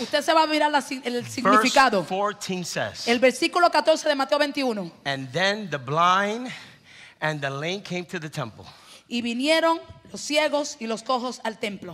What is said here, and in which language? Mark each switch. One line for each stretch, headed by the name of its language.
Spanish: Usted se va a mirar la, el significado.
English: Verse 14 says,
Spanish: el versículo 14 de Mateo 21.
English: And then the blind and the lame came to the temple.
Spanish: Y vinieron los ciegos y los cojos al templo.